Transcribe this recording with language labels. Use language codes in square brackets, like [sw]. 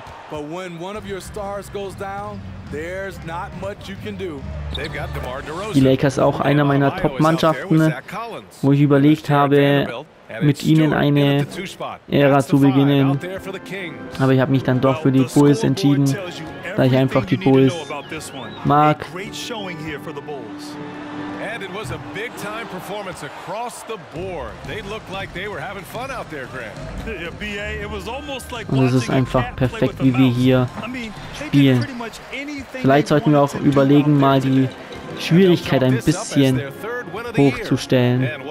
[en] But when one of your stars goes down, there's not much you can do. They've got DeMar DeRozan. [de] Die Lakers auch einer meiner Top-Mannschaften, wo ich überlegt habe, mit ihnen eine Ära zu beginnen. Aber ich habe mich dann doch für die Bulls entschieden, da ich einfach die Bulls mag. [en] And it was a big time performance across the board. They looked like they were having fun out there, Grant. Yeah, BA, it was almost like watching a cat play with the mouse. I mean, they did pretty much anything. [de] Vielleicht sollten wir auch überlegen, mal die Schwierigkeit ein bisschen hochzustellen.